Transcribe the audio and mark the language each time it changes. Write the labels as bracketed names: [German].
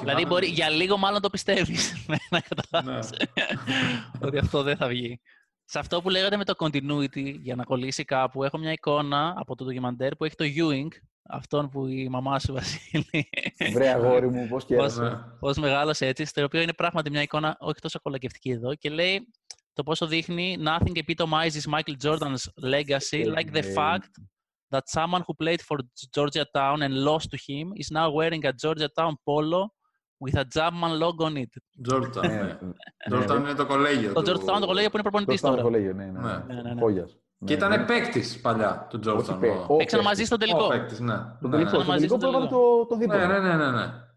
[Greek] δηλαδή, μπορεί, για λίγο μάλλον το πιστεύεις να καταλάβεις ότι αυτό δεν θα βγει. Σε αυτό που λέγατε με το continuity, για να κολλήσει κάπου, έχω μια εικόνα από το ντοκιμαντέρ που έχει το Ewing, αυτόν που η μαμά σου, Βασίλη. Βρε αγόρι μου, πώς κέρασε. Πώς μεγάλωσε έτσι, στο οποίο είναι πράγματι μια εικόνα όχι τόσο κολακευτική εδώ και λέει το πόσο δείχνει [English] «Nothing epitomizes Michael Jordan's legacy like the fact that someone who played for Georgia Town and lost to him is now wearing a Georgia Town polo with a Jumpman logo on it». [Greek] Georgetown είναι το κολέγιο. Το Georgetown το κολέγιο που είναι προπονητής τώρα. Το κολέγιο, ναι. Πόγιας. Και ήταν παίκτης παλιά του Georgetown. Παίξανε μαζί στο τελικό. Ο παίκτης, ναι. Το τελικό πρόβαλε το δίπλα.